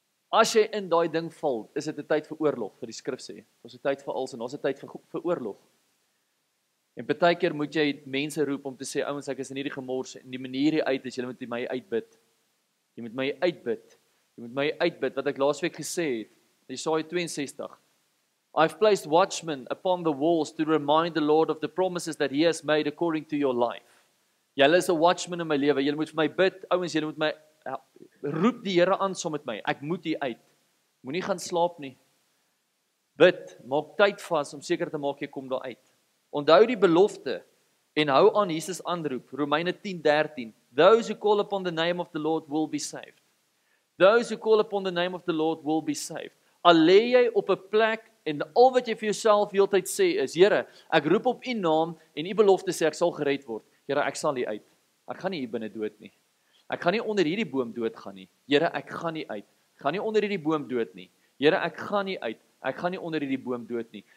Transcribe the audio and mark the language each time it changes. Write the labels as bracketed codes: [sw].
[af] As jy in daai ding val, is dit 'n tyd vir oorlog, vir die skrif sê. Ons het tyd vir alles en ons het tyd vir oorlog. En partykeer moet jy mense roep om te sê, ouens, ek is in hierdie gemors en die manier hier uit is, jy moet my uitbid. Jy moet my uitbid. Jy moet my uitbid, wat ek laasweek gesê het, Jesaja 62. [en] I've placed watchmen upon the walls to remind the Lord of the promises that he has made according to your life. [af] Julle is 'n watchman in my lewe, julle moet vir my bid, ouens, julle moet my, roep die Here aan saam met my, ek moet hier uit. Moenie gaan slaap nie. Bid, maak tyd vas om seker te maak jy kom daar uit. Onthou die belofte en hou aan Jesus aanroep. Romeine 10:13. [en] Those who call upon the name of the Lord will be saved. Those who call upon the name of the Lord will be saved. [af] Al lê jy op 'n plek en al wat jy vir jouself heeltyd sê is, Here, ek roep op U naam en U belofte sê ek sal gered word. Here, ek sal hier uit. Ek gaan nie hier binne dood nie. Ek gaan nie onder hierdie boom dood gaan nie. Here, ek gaan nie uit. Ek gaan nie onder hierdie boom dood nie. Here, ek gaan nie uit. Ek gaan nie onder hierdie boom dood nie.